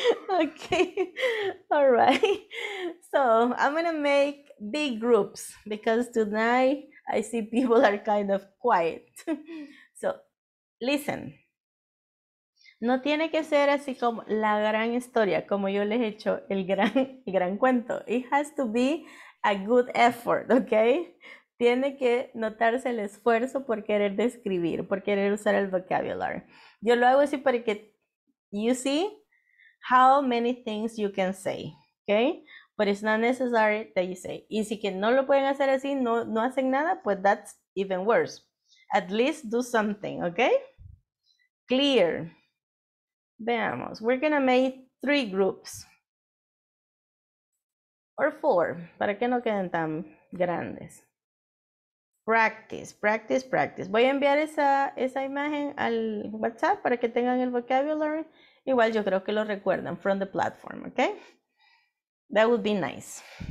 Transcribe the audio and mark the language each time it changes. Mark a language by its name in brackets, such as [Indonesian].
[English] Okay, all right. So I'm gonna make big groups because tonight I see people are kind of quiet. So listen, [Spanish] no tiene que ser así como la gran historia, como yo les he hecho el gran cuento. [English] It has to be a good effort, okay? [Spanish] Tiene que notarse el esfuerzo por querer describir, por querer usar el vocabulary. Yo lo hago así para que [English] you see how many things you can say, okay? But it's not necessary that you say. [Spanish] Y si que no lo pueden hacer así, no hacen nada, pues [English] that's even worse. At least do something, okay? Clear. Veamos, we're gonna make three groups. Or four, [Spanish] para que no queden tan grandes. Practice. Voy a enviar esa imagen al WhatsApp para que tengan el vocabulary. Igual yo creo que lo recuerdan [English] from the platform, [Spanish] okay? That would be nice.